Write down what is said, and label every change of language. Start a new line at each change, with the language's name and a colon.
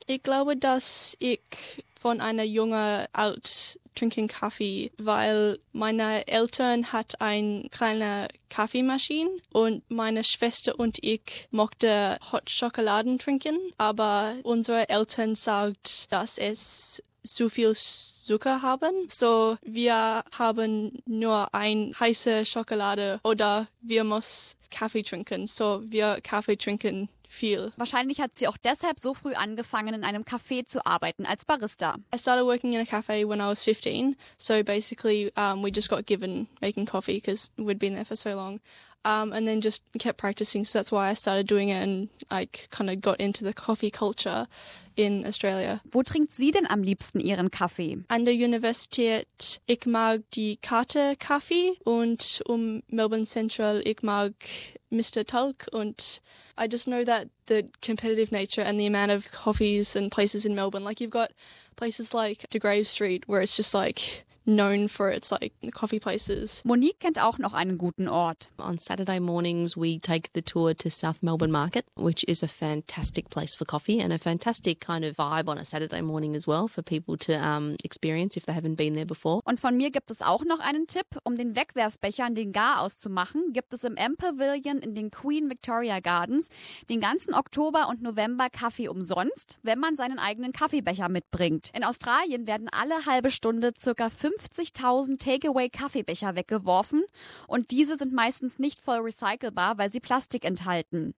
German: Ich glaube, dass ich von einer jungen Art trinken Kaffee, weil meine Eltern hat eine kleine Kaffeemaschine und meine Schwester und ich mochte Hot Schokoladen trinken, aber unsere Eltern sagt, dass es zu viel Zucker haben. So, wir haben nur ein heiße Schokolade oder wir müssen Kaffee trinken. So, wir Kaffee trinken viel. Wahrscheinlich hat sie auch deshalb so früh angefangen, in einem Café zu arbeiten, als Barista.
English: I started working in a cafe when I was 15. So basically, we just got given making coffee because we'd been there for so long. And then just kept practicing. So that's why I started doing it and I kind of got into the coffee culture in Australia.
German: Wo trinkt sie denn am liebsten ihren Kaffee? An der Universität, ich mag die Karte Kaffee und Melbourne Central, ich mag Mr. Tulk. Und
English: I just know that the competitive nature and the amount of coffees and places in Melbourne, like you've got places like De Grave Street where it's just like known for its like coffee places.
German: Monique kennt auch noch einen guten Ort.
English: On Saturday mornings we take the tour to South Melbourne Market, which is a fantastic place for coffee and a fantastic kind of vibe on a Saturday morning as well for people to experience if they haven't been there before.
German: Und von mir gibt es auch noch einen Tipp, um den Wegwerfbecher in den Gar auszumachen, gibt es im M Pavilion in den Queen Victoria Gardens den ganzen Oktober und November Kaffee umsonst, wenn man seinen eigenen Kaffeebecher mitbringt. In Australien werden alle halbe Stunde ca. 50.000 Takeaway-Kaffeebecher weggeworfen und diese sind meistens nicht voll recycelbar, weil sie Plastik enthalten.